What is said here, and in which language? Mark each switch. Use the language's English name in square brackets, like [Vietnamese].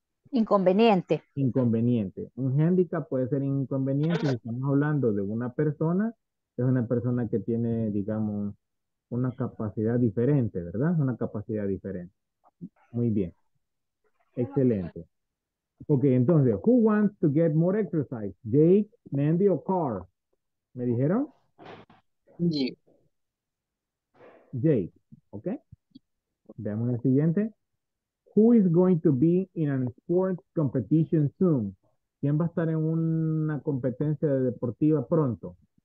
[Spanish] inconveniente. Inconveniente. Un handicap puede ser inconveniente. Si estamos hablando de una persona, es una persona que tiene, digamos, una capacidad diferente, ¿verdad? Una capacidad diferente. Muy bien. Excelente. [English] Okay, [Spanish] entonces, [English] who wants to get more exercise? [Spanish] Jake, Mandy, or Carr? ¿Me dijeron? Jake, okay. Veamos la siguiente. [English] Who is going to be in a sports competition soon? [Spanish] ¿Quién va a estar en una competencia deportiva pronto?